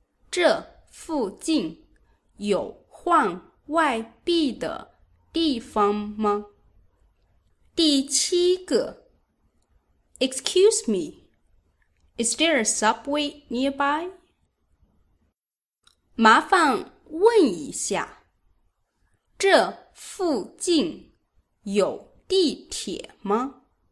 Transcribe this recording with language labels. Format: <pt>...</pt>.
<zh>这附近有换外币的地方吗？第七个</zh> <en>Excuse me, is there a subway nearby?</en> <zh>麻烦问一下，这附近有地铁吗？</zh>